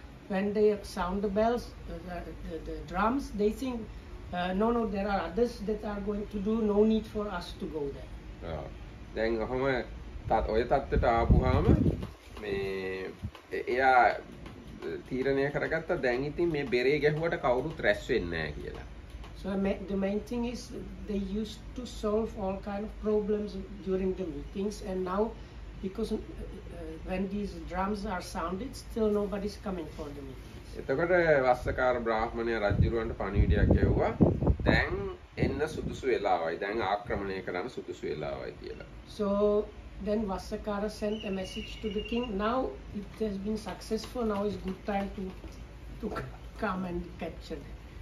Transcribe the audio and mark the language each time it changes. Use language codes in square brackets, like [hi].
[en] when they sound the bells, the drums, they think, no, there are others that are going to do, no need for us to go there. [si] දැන් ඔහම ඔය තත්ත්වයට ආපුහම මේ එයා තීරණය කරගත්ත දැන් ඉතින් මේ බෙරේ ගැහුවට කවුරුත් රැස් වෙන්නේ නැහැ කියලා. [en] So the main thing is they used to solve all kind of problems during the meetings and now because when these drums are sounded still nobody's coming for the meetings. [si] එතකොට වස්සකාර බ්‍රාහ්මණය රජුරවන්ට පණිවිඩයක් ඇහුවා. දැන් එන්න සුදුසු වෙලාවයි දැන් ආක්‍රමණය කරන්න සුදුසු වෙලාවයි කියලා. [en] So then Vassakara sent a message to the king. Now it has been successful. Now is good time to come and capture them.